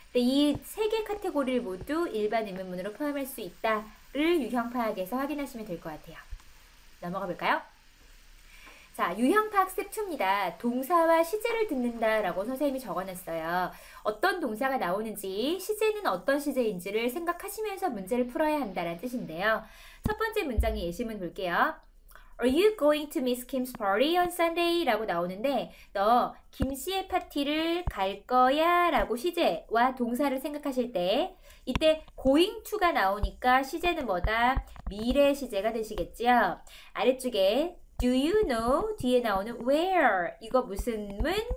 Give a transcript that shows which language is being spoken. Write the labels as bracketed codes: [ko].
[ko] 이세개 카테고리를 모두 일반 의문문으로 포함할 수 있다를 유형 파악에서 확인하시면 될것 같아요. 넘어가 볼까요? 자, 유형 파악 스텝 2입니다. 동사와 시제를 듣는다라고 선생님이 적어놨어요. 어떤 동사가 나오는지, 시제는 어떤 시제인지를 생각하시면서 문제를 풀어야 한다는 뜻인데요. 첫 번째 문장의 예시문 볼게요. [en] Are you going to Miss Kim's party on Sunday? [ko] 라고 나오는데, 너 김씨의 파티를 갈 거야? 라고 시제와 동사를 생각하실 때, 이때 going to가 나오니까 시제는 뭐다? 미래 시제가 되시겠지요? 아래쪽에 [en] Do you know? [ko] 뒤에 나오는 where? 이거 무슨 문?